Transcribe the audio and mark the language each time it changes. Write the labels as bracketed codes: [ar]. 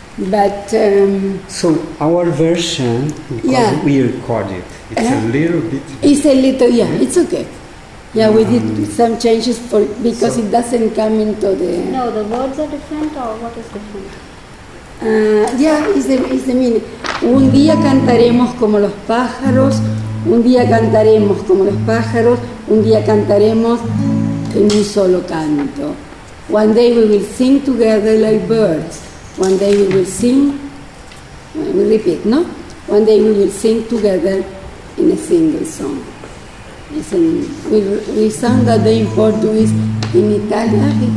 [en] But so our version, we record it. It's a little bit. It's a little, it's okay. Yeah, we did some changes because it doesn't come into the. No, the words are different, or what is different? It's the meaning. [es] Un día cantaremos como los pájaros. Un día cantaremos como los pájaros. Un día cantaremos en un solo canto. [en] One day we will sing together like birds. One day we will sing, we repeat, no? One day we will sing together in a single song. We sang that day in Portuguese, in Italian.